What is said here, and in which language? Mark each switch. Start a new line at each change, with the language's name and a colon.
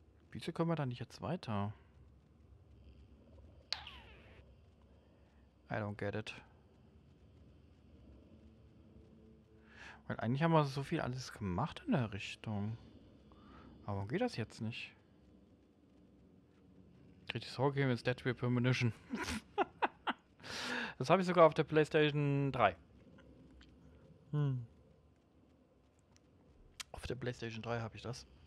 German: Wieso können wir da nicht jetzt weiter?
English: I don't get it.
German: Weil eigentlich haben wir so viel alles gemacht in der Richtung. Aber warum geht das jetzt nicht?
English: Critics Hall Game is Dead by Permission.
German: Das habe ich sogar auf der PlayStation 3. Auf der PlayStation 3 habe ich das.